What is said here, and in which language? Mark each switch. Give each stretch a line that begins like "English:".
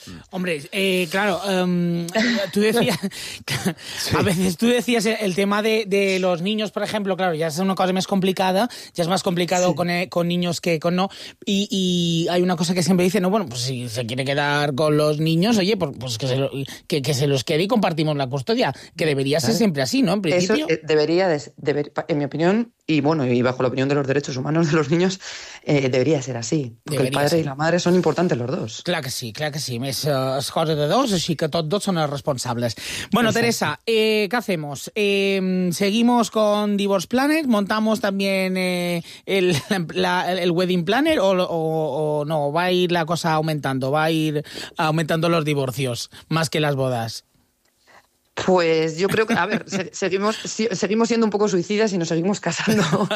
Spanish: Hombre, claro, tú decías, a veces tú decías el tema de los niños, por ejemplo, claro, ya es una cosa más complicada, ya es más complicado con niños que con no, y hay una cosa que siempre dice, no, bueno, pues si se quiere quedar con los niños, oye, pues que se los quede y compartimos la custodia, que debería ser siempre así, ¿no? En principio. Eso debería, en mi opinión, y bueno, y bajo la opinión de los derechos humanos de los niños, debería ser así, porque debería el padre ser y la madre son importantes los dos. Claro que sí, claro que sí.
Catalan: Més es cosa de dos, així que tots dos són els responsables.
Spanish: Bueno, exacte. Teresa, ¿qué hacemos? ¿Seguimos con Divorce Planner? ¿Montamos también el Wedding Planner o no? ¿Va a ir la cosa aumentando? ¿Va a ir aumentando los divorcios más que las bodas? Pues yo creo que, a ver, seguimos siendo un poco suicidas y nos seguimos casando.